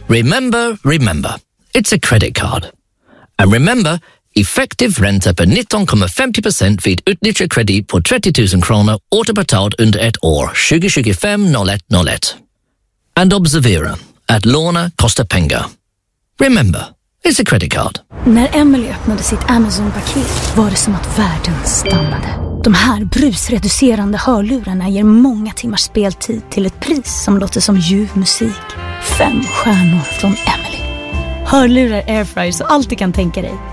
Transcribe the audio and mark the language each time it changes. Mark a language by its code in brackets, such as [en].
[en] Remember, remember. It's a credit card. And remember, [sv] effective ränta på 19,50% vid utnyttjad kredit på 30 000 kronor återbetalt under ett år, 2025-0101. And observera att låna kostar pengar. [en] Remember, it's a credit card. [sv] När Emily öppnade sitt Amazon-paket var det som att världen stannade. De här brusreducerande hörlurarna ger många timmars speltid till ett pris som låter som ljuv musik. 5 stjärnor från Emily. Hörlurar, airfryer och allt du kan tänka dig.